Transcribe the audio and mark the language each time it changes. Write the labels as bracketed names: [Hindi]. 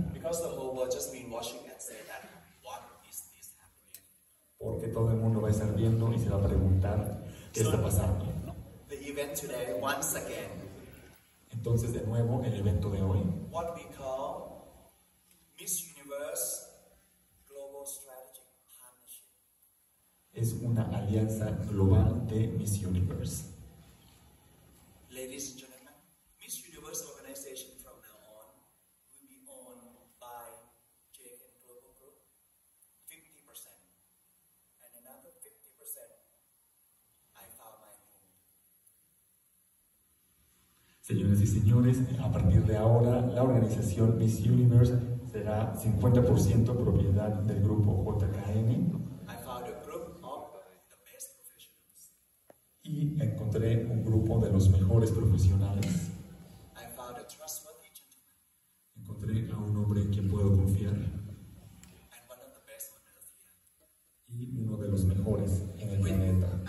[English] Because the whole world just been watching and say that, what is this happening? [Spanish] Porque todo el mundo va a estar viendo y se va a preguntar qué está pasando. [English] The event today, once again. [Spanish] Entonces de nuevo el evento de hoy. [English] What we call Miss Universe Global Strategic Partnership. [Spanish] Es una alianza global de Miss Universe. [English] Ladies and gentlemen, Miss Universe organization from now on will be owned by JN Global Group 50%. And another 50% I found my home. [Spanish] Señoras y señores, a partir de ahora la organización Miss Universe será 50% propiedad del grupo JKN. [English] I found a group of the best professionals. [Spanish] Y encontré un grupo de los mejores profesionales. [English] I found a trustworthy gentleman. [Spanish] Encontré a un hombre en quien puedo confiar. [English] And one of the best on earth here. [Spanish] Y uno de los mejores en el planeta.